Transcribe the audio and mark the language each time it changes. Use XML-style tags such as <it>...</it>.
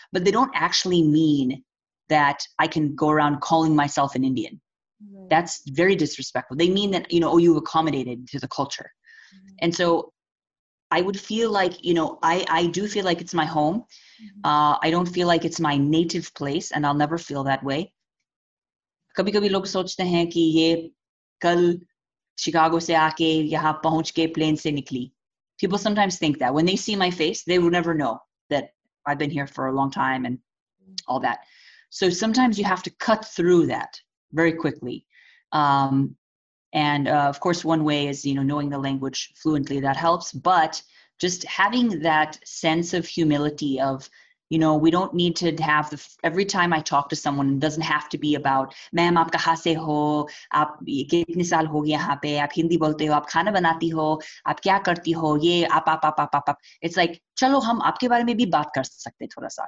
<en>But they don't actually mean that I can go around calling myself an Indian. Right. That's very disrespectful. They mean that, you know, oh, you accommodated to the culture. Mm-hmm. And so I would feel like, you know, I do feel like it's my home. Mm-hmm. I don't feel like it's my native place, and I'll never feel that way.</en> <hi>कभी कभी लोग सोचते हैं कि ये कल Chicago से आके यहा पहुँच के plane से निकली.</hi> <en>People sometimes think that when they see my face, they will never know that I've been here for a long time and all that. So sometimes you have to cut through that very quickly. Of course, one way is, you know, knowing the language fluently, that helps. But just having that sense of humility of You know, we don't need to have the, every time I talk to someone, it doesn't have to be about, ma'am,</en> <hi>आप कहाँ से हो, आप कितने साल हो गए यहाँ पे, आप Hindi बोलते हो, आप खाना बनाती हो, आप क्या करती हो, ये, आप.</hi> <en>It's like,</en> <hi>चलो, हम आपके बारे में भी बात कर सकते थोड़ा सा.</hi>